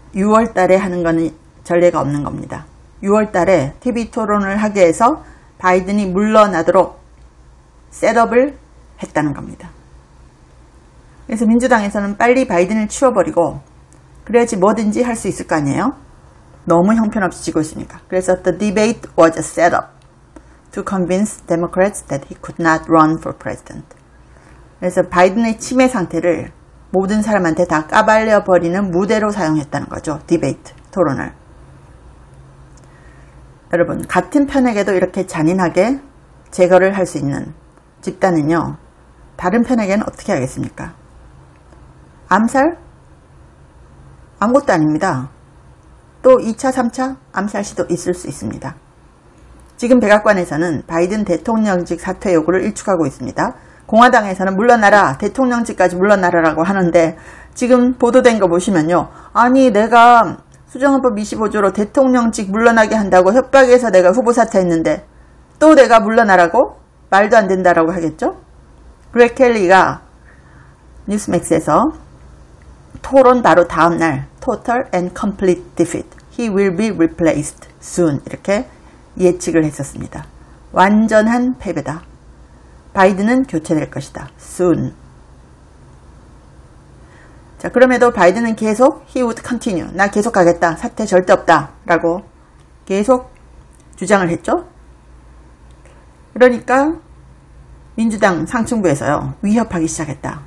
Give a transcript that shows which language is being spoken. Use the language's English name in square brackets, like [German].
[Korean] 6월 달에 하는 거는 전례가 없는 겁니다. 6월 달에 TV 토론을 하게 해서 바이든이 물러나도록 셋업을 했다는 겁니다. 그래서 민주당에서는 빨리 바이든을 치워버리고 그래야지 뭐든지 할 수 있을 거 아니에요. 너무 형편없이 지고 있으니까. 그래서 [English] the debate was a setup to convince Democrats that he could not run for president. [Korean] 그래서 바이든의 치매 상태를 모든 사람한테 다 까발려 버리는 무대로 사용했다는 거죠. 디베이트, 토론을. 여러분, 같은 편에게도 이렇게 잔인하게 제거를 할 수 있는 집단은요, 다른 편에게는 어떻게 하겠습니까? 암살? 아무것도 아닙니다. 또 2차, 3차 암살 시도 있을 수 있습니다. 지금 백악관에서는 바이든 대통령직 사퇴 요구를 일축하고 있습니다. 공화당에서는 물러나라, 대통령직까지 물러나라라고 하는데 지금 보도된 거 보시면요, 아니 내가 수정헌법 25조로 대통령직 물러나게 한다고 협박해서 내가 후보 사퇴했는데 또 내가 물러나라고? 말도 안 된다라고 하겠죠? 그렉 켈리가 뉴스맥스에서 토론 바로 다음날 [English] Total and complete defeat. He will be replaced soon. [Korean] 이렇게 예측을 했었습니다. 완전한 패배다. 바이든은 교체될 것이다. [English] Soon. [Korean] 자, 그럼에도 바이든은 계속 [English] he would continue. [Korean] 나 계속 가겠다. 사퇴 절대 없다. 라고 계속 주장을 했죠. 그러니까 민주당 상층부에서요, 위협하기 시작했다.